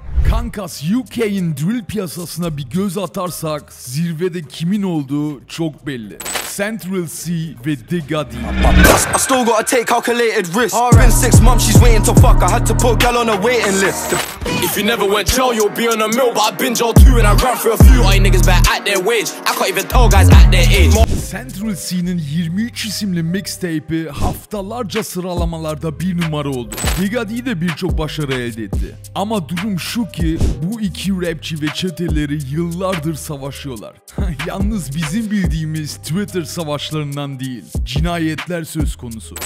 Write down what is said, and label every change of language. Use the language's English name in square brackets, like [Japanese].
[Turkish] Bankas UK'in drill piyasasına bir göz atarsak zirvede kimin olduğu çok belli. Central C ve Diggadi. [English] I still gotta take calculated risks. Been 6 months she's waiting to fuck. I had to put girl on a waiting list. If you never went jail, you'll be on a mill. But I've been jail too and I ran through a few. All you niggas better at their wage. I can't even tell guys at their age. [Turkish] Central C'nin 23 isimli mixtape'i haftalarca sıralamalarda bir numara oldu. Diggadi de birçok başarı elde etti. Ama durum şu ki bu iki rapçi ve çeteleri yıllardır savaşıyorlar. Yalnız bizim bildiğimiz Twitter savaşlarından değil, cinayetler söz konusu.